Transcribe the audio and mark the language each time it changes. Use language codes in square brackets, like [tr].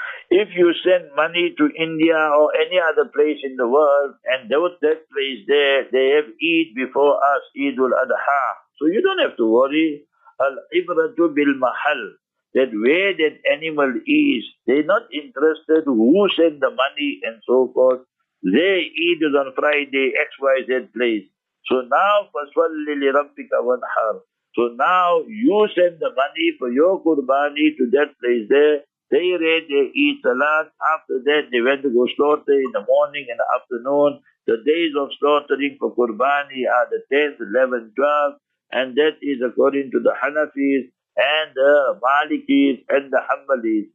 [en] If you send money to India or any other place in the world, and there was that place there, they have Eid before us, Eid al-Adha. So you don't have to worry. Al-Ibratu bil-Mahal, that where that animal is, they're not interested who sent the money and so forth. They Eid is on Friday, XYZ place. So now, [ar] فَصْوَلِّ لِرَبِّكَ وَنْحَرْ. [en] So now you send the money for your Qurbani to that place there. They read, they eat salat. After that, they went to go slaughter in the morning and the afternoon. The days of slaughtering for Qurbani are the 10th, 11th, 12th. And that is according to the Hanafis and the Malikis and the Hanbalis.